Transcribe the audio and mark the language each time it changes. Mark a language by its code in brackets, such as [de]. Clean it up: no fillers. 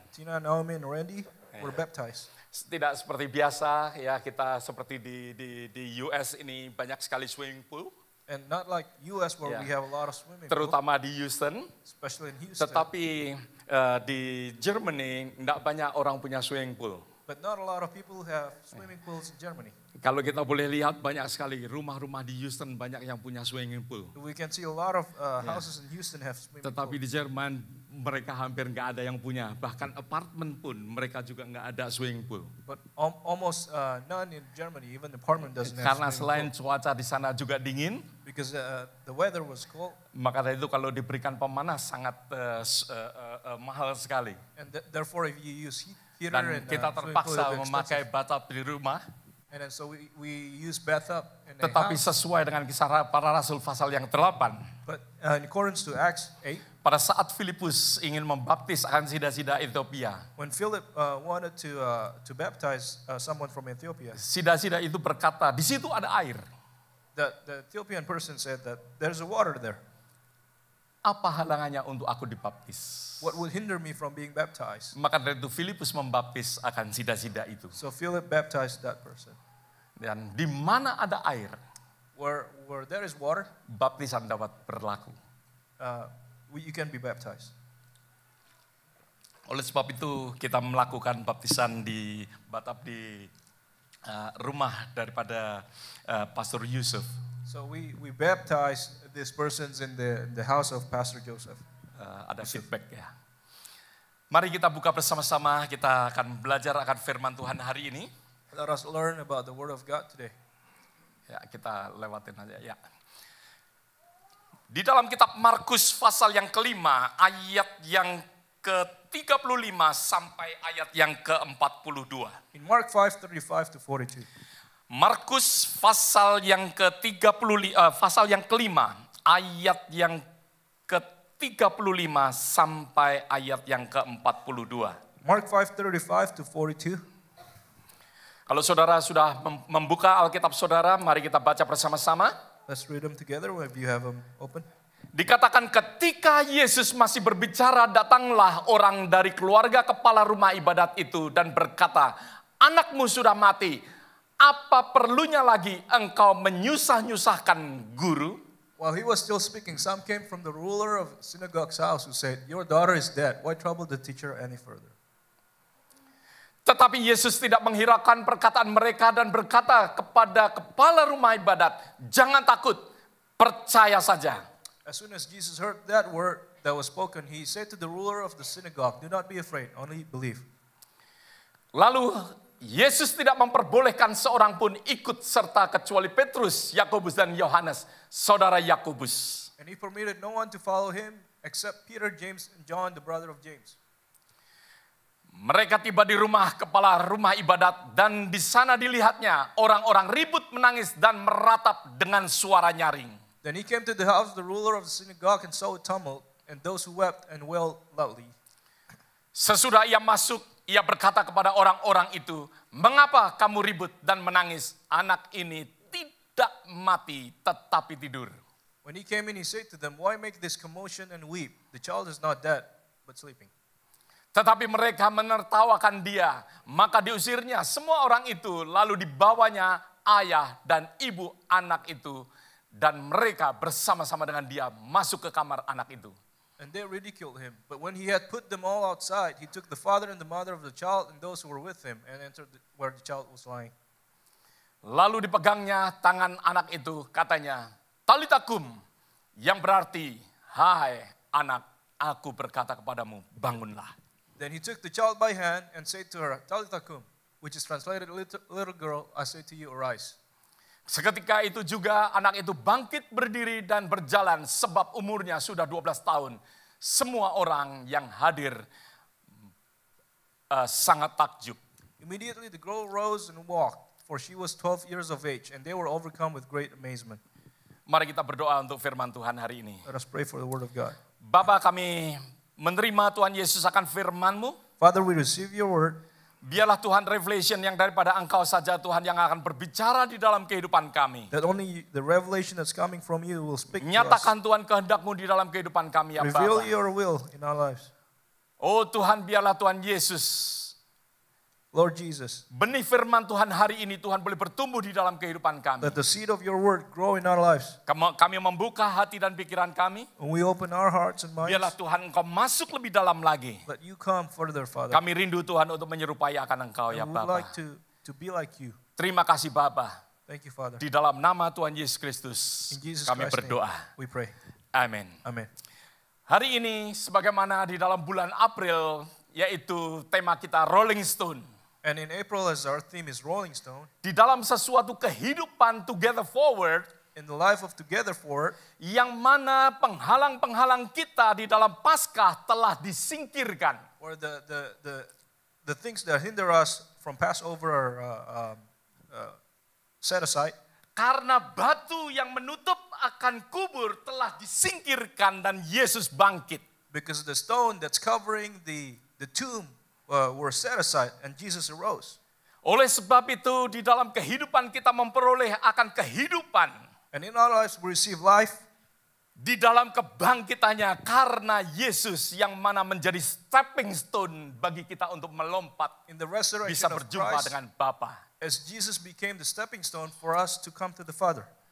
[en] Tina, Naomi, and Randy were baptized. [id] Tidak seperti biasa, ya kita seperti di US ini banyak sekali swimming pool. [en] And not like US where we have a lot of swimming pool. [id] Terutama di Houston. [en] Especially in Houston. [id] Tetapi di Germany tidak banyak orang punya swimming pool. [en] But not a lot of people have swimming pools in Germany. [id] Kalau kita boleh lihat banyak sekali rumah-rumah di Houston banyak yang punya swimming pool. [en] We can see a lot of houses in Houston have swimming pool. [id] Tetapi di Jerman mereka hampir enggak ada yang punya. Bahkan apartment pun mereka juga enggak ada swimming pool. [en] But almost none in Germany even apartment doesn't have. [id] Karena selain cuaca di sana juga dingin. [en] Because the weather was cold. [id] Maka itu kalau diberikan pemanas sangat mahal sekali. [en] And therefore if you use heat. [id] Dan kita terpaksa memakai bathtub di rumah. [en] And so we use bathtub in the [id] tetapi [en] house. [id] Sesuai dengan kisah para rasul pasal yang 8. [en] But in accordance to Acts 8. [id] Pada saat Filipus ingin membaptis akan sida-sida Ethiopia. [en] When Philip wanted to baptize someone from Ethiopia. [id] Sida-sida itu berkata, di situ ada air. [en] The Ethiopian person said that there's a water there. [id] Apa halangannya untuk aku dibaptis? [en] What would hinder me from being baptized? [id] Maka dari itu Filipus membaptis akan sida-sida itu. [en] So Philip baptized that person. [id] Dan di mana ada air? [en] Where there is water? [id] Baptisan dapat berlaku. [en] You can be baptized. [id] Oleh sebab itu kita melakukan baptisan di bathtub di rumah daripada Pastor Yusuf. [en] So we baptized these persons in the house of Pastor Joseph. [id] Ada feedback ya. Mari kita buka bersama-sama, kita akan belajar akan firman Tuhan hari ini. [en] Let us learn about the word of God today. [id] Ya, kita lewatin aja ya. Di dalam kitab Markus pasal yang 5 ayat yang ke-35 sampai ayat yang ke-42. [en] In Mark 5:35 to 42. [id] Markus pasal yang ke-35 pasal yang kelima ayat yang ke-35 sampai ayat yang ke-42. [en] Mark 5:35 to 42. [id] Kalau saudara sudah membuka Alkitab saudara, mari kita baca bersama-sama. [en] Let's read them together if you have them open. [id] Dikatakan ketika Yesus masih berbicara, datanglah orang dari keluarga kepala rumah ibadat itu dan berkata, "Anakmu sudah mati. Apa perlunya lagi engkau menyusah-nyusahkan guru?" [en] While he was still speaking, some came from the ruler of synagogue's house who said, "Your daughter is dead. Why trouble the teacher any further?" [id] Tetapi Yesus tidak menghiraukan perkataan mereka dan berkata kepada kepala rumah ibadat, "Jangan takut, percaya saja." [en] As soon as Jesus heard that word that was spoken, he said to the ruler of the synagogue, "Do not be afraid, only believe." [id] Lalu Yesus tidak memperbolehkan seorang pun ikut serta kecuali Petrus, Yakobus dan Yohanes, saudara Yakobus. [en] And he permitted no one to follow him except Peter, James and John, the brother of James. [id] Mereka tiba di rumah kepala rumah ibadat dan di sana dilihatnya orang-orang ribut menangis dan meratap dengan suara nyaring. [en] Then he came to the house of the ruler of the synagogue and saw a tumult and those who wept and wailed loudly. [id] Sesudah ia masuk, ia berkata kepada orang-orang itu, "Mengapa kamu ribut dan menangis? Anak ini tidak mati, tetapi tidur." [en] When he came in, he said to them, "Why make this commotion and weep? The child is not dead, but sleeping." [id] Tetapi mereka menertawakan dia, maka diusirnya semua orang itu, lalu dibawanya ayah dan ibu anak itu, dan mereka bersama-sama dengan dia masuk ke kamar anak itu. [en] And they ridiculed him. But when he had put them all outside, he took the father and the mother of the child and those who were with him and entered where the child was lying. [id] Lalu dipegangnya tangan anak itu, katanya, "Talitakum," yang berarti, "Hai anak, aku berkata kepadamu, bangunlah." [en] Then he took the child by hand and said to her, "Talitakum," which is translated, "Little girl, I say to you, arise." [id] Seketika itu juga anak itu bangkit berdiri dan berjalan sebab umurnya sudah 12 tahun. Semua orang yang hadir sangat takjub. [en] Immediately the girl rose and walked, for she was 12 years of age, and they were overcome with great amazement. [id] Mari kita berdoa untuk firman Tuhan hari ini. [en] Let us pray for the word of God. [id] Bapa, kami menerima Tuhan Yesus akan firman-Mu. [en] Father, we receive your word. [id] Biarlah Tuhan revelation yang daripada Engkau saja Tuhan yang akan berbicara di dalam kehidupan kami. [en] That only the revelation that's coming from you will speak. [id] Nyatakan Tuhan kehendak-Mu di dalam kehidupan kami, ya Bapa. [en] Reveal your will in our lives. [id] Oh Tuhan, biarlah Tuhan Yesus, [en] Lord Jesus, [id] benih firman Tuhan hari ini Tuhan boleh bertumbuh di dalam kehidupan kami. [en] Let the seed of your word grow in our lives. [id] Kami membuka hati dan pikiran kami. [en] We open our hearts and minds. [id] Biarlah Tuhan Engkau masuk lebih dalam lagi. [en] Let you come further, Father. [id] Kami rindu Tuhan untuk menyerupai akan Engkau, ya Bapa. [en] We would like to be like you. [id] Terima kasih Bapa. [en] Thank you, Father. [id] Di dalam nama Tuhan Yesus Kristus, kami berdoa. [en] Name, we pray. Amen. Amen. [id] Hari ini sebagaimana di dalam bulan April, yaitu tema kita Rolling Stone. [en] And in April, as our theme is Rolling Stone, [id] di dalam sesuatu kehidupan [en] together forward, in the life of together forward, [id] yang mana penghalang-penghalang kita di dalam Paskah telah disingkirkan, [en] where the things that hinder us from Passover are set aside, [id] karena batu yang menutup akan kubur telah disingkirkan dan Yesus bangkit, [en] because the stone that's covering the tomb were set aside and Jesus arose. [id] Oleh sebab itu di dalam kehidupan kita memperoleh akan kehidupan. [en] And in our lives we receive life [id] di dalam kebangkitannya karena Yesus yang mana menjadi stepping stone bagi kita untuk melompat [en] in the resurrection [id] bisa berjumpa [en] of Christ, [id] dengan Bapa. [en] As Jesus became the stepping stone for us to come to the Father.